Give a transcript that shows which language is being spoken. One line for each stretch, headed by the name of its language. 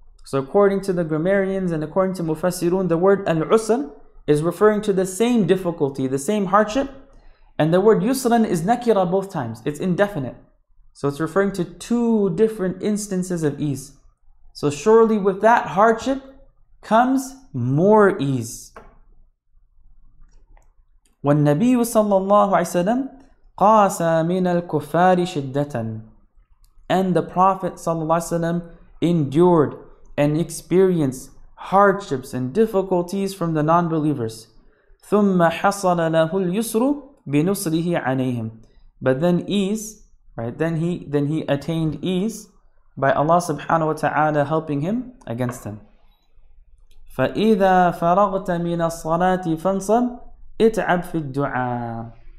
English: So according to the grammarians and according to mufassirun, the word al-usr is referring to the same difficulty, the same hardship. And the word yusran is nakira both times. It's indefinite. So it's referring to two different instances of ease. So surely with that hardship comes more ease.
Arabic: والنبي صلى الله عليه وسلم قاس من الكفار شدة.
English: And the Prophet
Arabic: صلى الله عليه وسلم
English: endured and experienced hardships and difficulties from the non-believers.
Arabic: ثم حصل له اليسر بنصره عليهم.
English: But then ease, right? Then he attained ease by Allah subhanahu wa ta'ala helping him against them.
Arabic: فإذا فرغت من الصلاة فانصب اتعب في الدعاء.